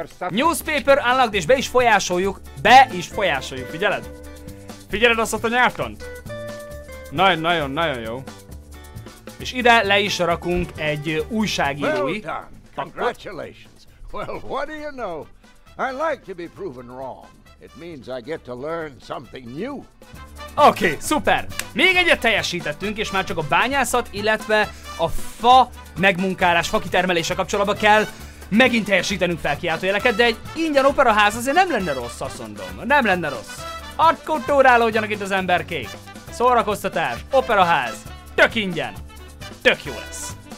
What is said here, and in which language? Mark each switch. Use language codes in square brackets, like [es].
[en] Newspaper unlocked, [hu] és be is folyásoljuk, figyeled? Figyeled azt a nyártont? Nagyon-nagyon-nagyon jó. És ide le is rakunk egy újságírói [en] Congratulations. Well, what do you know? I like to be proven wrong. It means I get to learn something new. [hu] Oké, szuper! Még egyet teljesítettünk, és már csak a bányászat, illetve a fa megmunkálás, fakitermelése kapcsolatban kell megint teljesítenünk fel kiáltójeleket, de egy ingyen operaház azért nem lenne rossz, azt mondom. Nem lenne rossz. Hardkultúrálódjanak itt az emberkék. Szórakoztatás, operaház, tök ingyen. Tök jó lesz.